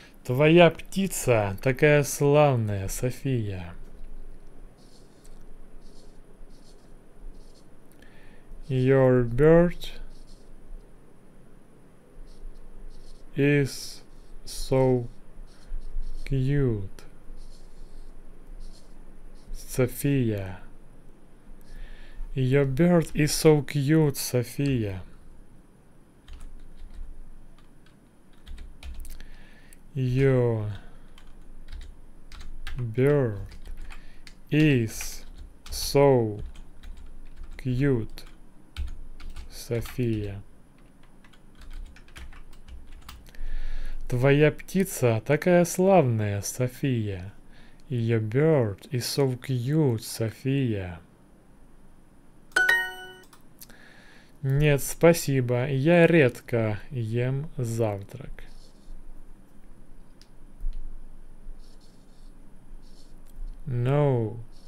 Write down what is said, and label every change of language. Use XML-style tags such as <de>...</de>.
<ru>Твоя птица такая славная, София.</ru> <en>Your bird is so cute, София. Your bird is so cute, София. Your bird is so cute, София.</en> <ru>Твоя птица такая славная, София.</ru> <en>Your bird is so cute, София.</en> <ru>Нет, спасибо, я редко ем завтрак.</ru> <en>No.</en>